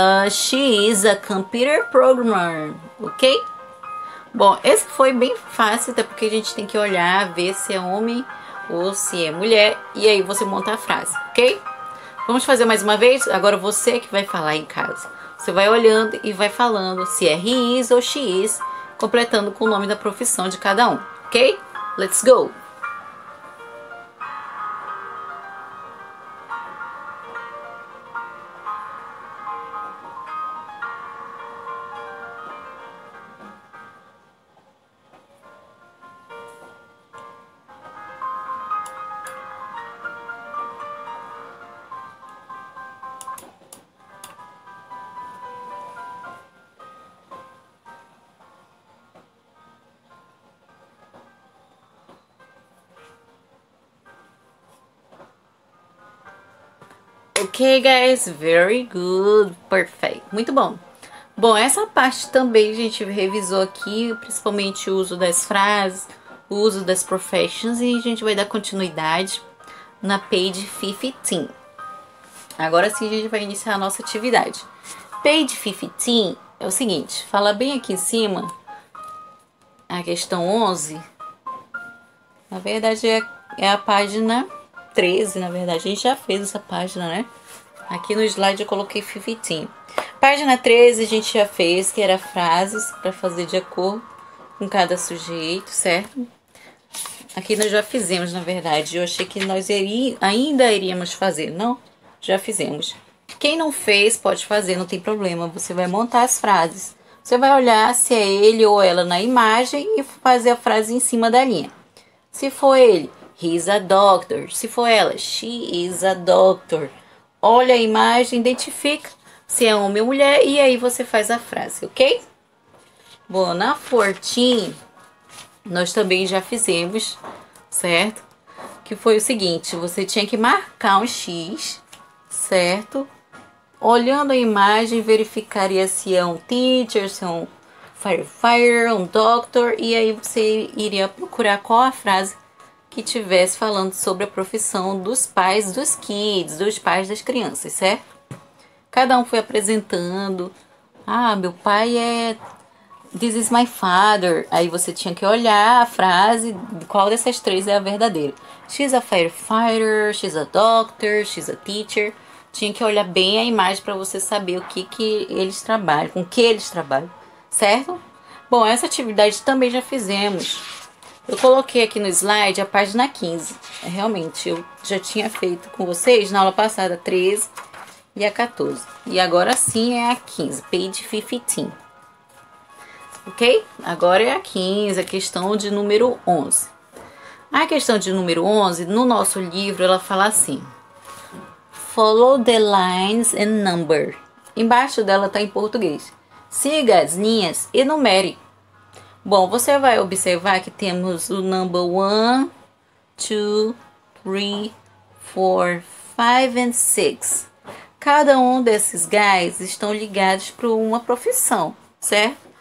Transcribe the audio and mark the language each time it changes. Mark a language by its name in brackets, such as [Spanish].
[English] She is a computer programmer, ok? [Portuguese] Bom, esse foi bem fácil, até porque a gente tem que olhar, ver se é homem ou se é mulher, e aí você monta a frase, ok? Vamos fazer mais uma vez? Agora você que vai falar em casa. Você vai olhando e vai falando se é his ou she is, completando com o nome da profissão de cada um. [English] Ok? Let's go! Okay, guys, very good, perfect, [Portuguese] muito bom. Bom, essa parte também a gente revisou aqui, principalmente o uso das frases, o uso das professions, e a gente vai dar continuidade na page 15. Agora sim a gente vai iniciar a nossa atividade. Page 15 é o seguinte, fala bem aqui em cima, a questão 11, na verdade é a página 13, na verdade, a gente já fez essa página, né? Aqui no slide eu coloquei 15. Página 13 a gente já fez, que era frases para fazer de acordo com cada sujeito, certo? Aqui nós já fizemos, na verdade. Eu achei que nós ainda iríamos fazer. Não, já fizemos. Quem não fez, pode fazer, não tem problema. Você vai montar as frases. Você vai olhar se é ele ou ela na imagem e fazer a frase em cima da linha. Se for ele, [English] he's a doctor. Se for ela, she is a doctor. [Portuguese] Olha a imagem, identifica se é homem ou mulher e aí você faz a frase, ok? Bom, na 14, nós também já fizemos, certo? Que foi o seguinte, você tinha que marcar um X, certo? Olhando a imagem, verificaria se é um teacher, se é um firefighter, um doctor. E aí você iria procurar qual a frase que estivesse falando sobre a profissão dos pais dos kids, dos pais das crianças, certo? Cada um foi apresentando. Ah, meu pai é... [English] This is my father. [Portuguese] Aí você tinha que olhar a frase, qual dessas três é a verdadeira. [English] She's a firefighter, she's a doctor, she's a teacher. [Portuguese] Tinha que olhar bem a imagem para você saber o que, que eles trabalham, com que eles trabalham, certo? Bom, essa atividade também já fizemos. Eu coloquei aqui no slide a página 15. Realmente, eu já tinha feito com vocês na aula passada, 13 e a 14. E agora sim é a 15, page 15. Ok? Agora é a 15, a questão de número 11. A questão de número 11, no nosso livro, ela fala assim. [English] Follow the lines and number. [Portuguese] Embaixo dela tá em português. Siga as linhas e numere. Bom, você vai observar que temos o number 1, 2, 3, 4, 5 and 6. Cada um desses guys estão ligados para uma profissão, certo?